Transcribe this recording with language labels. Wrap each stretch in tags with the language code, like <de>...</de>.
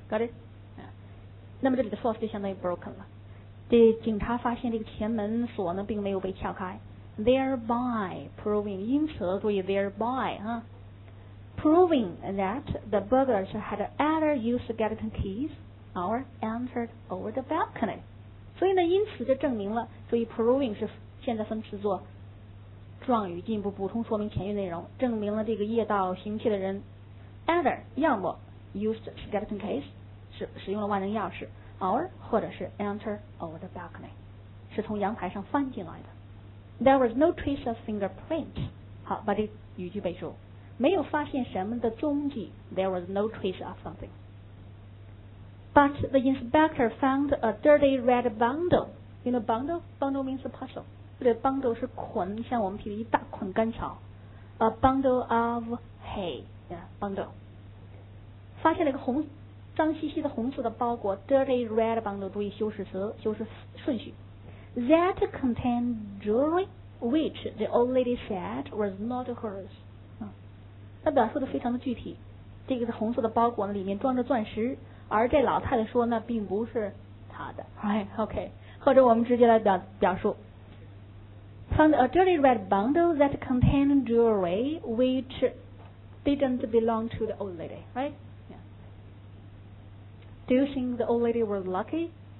<en>Got it?</en> <zh>那么这里的 force 就相当于 broken 了。这警察发现这个前门锁呢并没有被撬开。</zh> <en>Thereby proving,</en> <zh>因此注意 thereby,</zh> <en>proving that the burglars had either used skeleton keys or entered over the balcony.</en> <zh>所以呢，因此就证明了，所以 proving 是现在分词做状语，进一步补充说明前言内容，证明了这个夜盗行窃的人 either 要么</zh> <en>used skeleton keys</en> <zh>是使用了万能钥匙 ，or 或者是</zh> <en>entered over the balcony</en> <zh>是从阳台上翻进来的。</zh> <en>There was no trace of fingerprint.</en> <zh>好，把这语句背熟。没有发现什么的踪迹。</zh> <en>There was no trace of something. But the inspector found a dirty red bundle. You know bundle? Bundle means a parcel.</en> <zh>这个 bundle 是捆，像我们提的一大捆干草。</zh> <en>A bundle of hay. Yeah, bundle.</en> <zh>发现了一个红，脏兮兮的红色的包裹。</zh> <en>Dirty red bundle.</en> <zh>注意修饰词，修饰顺序。</zh> <en>That contained jewelry, which the old lady said was not hers.</en> <zh>他表述的非常的具体，这个红色的包裹里面装着钻石，而这老太太说那并不是她的。</zh> <en>Right, okay.</en> <zh>或者我们直接来表述。</zh> <en>Found a dirty red bundle that contained jewelry, which didn't belong to the old lady. Right? Yeah. Do you think the old lady was lucky?</en>